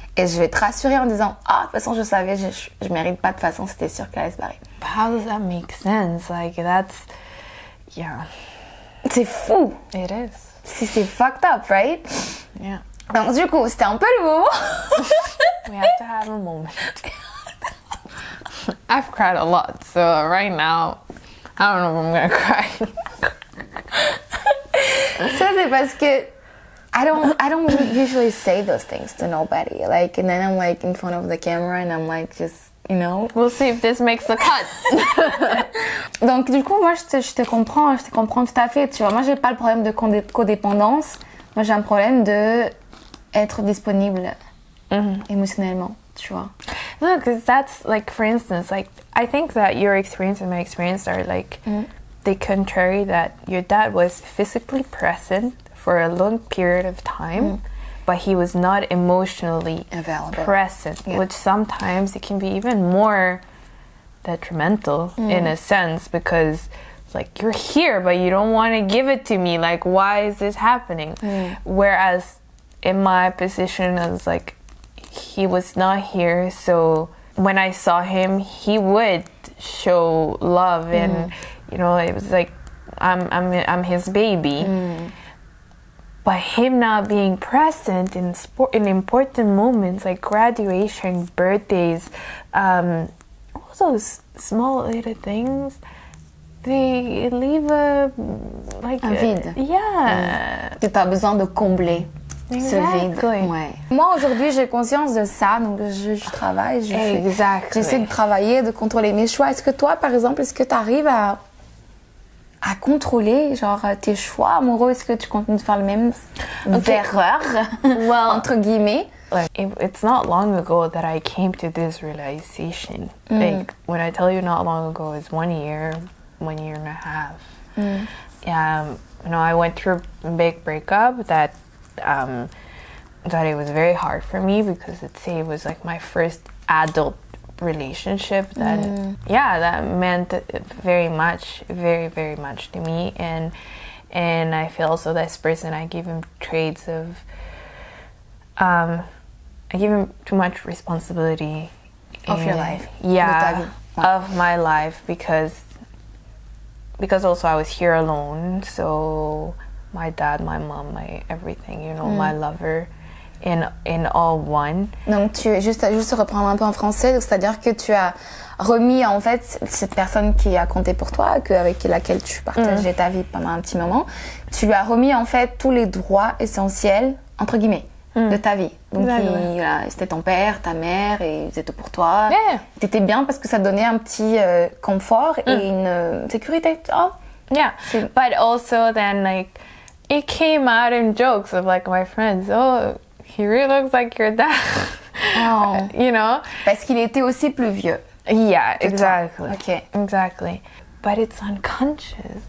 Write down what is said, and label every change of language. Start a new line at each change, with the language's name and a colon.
French: Et je vais te rassurer en disant, ah, oh, de toute façon, je savais, je mérite pas, de toute façon, c'était sûr qu'elle allait se barrer.
English: How does that make sense? Like, that's... Yeah.
French: C'est fou!
English: It is.
French: Si c'est
English: fucked up, right? Yeah.
French: Donc, du coup, c'était un peu le moment.
English: We have to have a moment. I've cried a lot, so right now, I don't know if I'm gonna cry.
French: Ça, c'est parce que...
English: I don't usually say those things to nobody. Like, and then I'm like in front of the camera and I'm like just, you know. We'll see if this makes the cut.
French: Donc du coup, moi je te comprends tout à fait, tu vois. Moi j'ai pas le problème de codépendance. Moi j'ai un problème de être disponible émotionnellement, tu vois.
English: No, because that's like, for instance, like I think that your experience and my experience are like the contrary, that your dad was physically present for a long period of time, but he was not emotionally available, present, which sometimes it can be even more detrimental in a sense, because it's like, you're here, but you don't want to give it to me. Like, why is this happening? Mm. Whereas in my position, I was like, he was not here. So when I saw him, he would show love. Mm. And, you know, it was like, I'm his baby. Mm. But him not being present in important moments like graduation, birthdays, all those small little things, they leave a like
French: un vide. Que t'as besoin de combler ce vide. Ouais. Moi aujourd'hui j'ai conscience de ça, donc je travaille. J'essaie de travailler, de contrôler mes choix. Est-ce que toi par exemple, est-ce que t'arrives à contrôler, genre, tes choix amoureux? Est-ce que tu continues de faire les mêmes erreurs,
English: well,
French: entre guillemets?
English: Like, it's not long ago that I came to this realization. Mm. Like, when I tell you not long ago, it's 1 year and a half. Mm. You know, I went through a big breakup that it was very hard for me, because let's say it was like my first adult relationship that that meant very, very much to me, and I feel also this person, I give him traits of I give him too much responsibility of your life, of my life, because also I was here alone, so my dad, my mom, my everything, you know, my lover in all one.
French: Donc tu juste reprendre un peu en français, donc c'est-à-dire que tu as remis en fait cette personne qui a compté pour toi, que avec laquelle tu partageais ta vie pendant un petit moment, tu lui as remis en fait tous les droits essentiels entre guillemets de ta vie. Donc c'était ton père, ta mère, et ils étaient pour toi.
English: Yeah.
French: T'étais bien parce que ça donnait un petit confort et une sécurité. Oh.
English: Yeah. But also then like it came out in jokes of like my friends. Oh, he really looks like your dad. Oh. You know?
French: Parce qu'il était aussi plus vieux.
English: Yeah, exactly. Okay. Exactly. But it's unconscious.